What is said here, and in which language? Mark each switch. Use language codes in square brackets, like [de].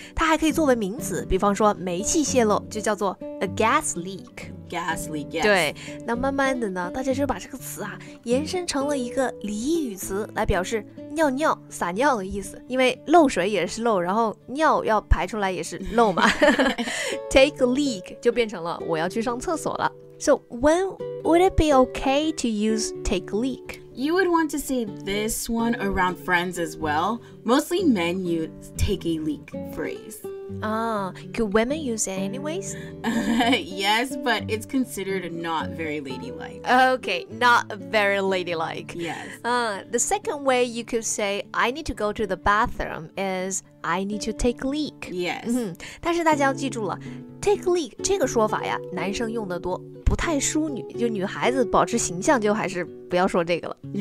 [zh] 它还可以作为名词，比方说煤气泄露就叫做 a gas leak. [en] Gas leak. Yes. [zh] 对，那慢慢的呢，大家就把这个词啊延伸成了一个俚语词来表示尿尿、撒尿的意思，因为漏水也是漏，然后尿要排出来也是漏嘛。 Take a leak 就变成了我要去上厕所了。 [en] So when would it be okay to use take a leak? You would want to say this one around friends as well. Mostly men use take a leak phrase. Could women use it anyways? Yes, but it's considered not very ladylike. Okay, not very ladylike. Yes. The second way you could say I need to go to the bathroom is I need to take a leak. Yes. [zh] 但是大家要记住了Take leak 这个说法呀，男生用的多，不太淑女，就女孩子保持形象就还是不要说这个了。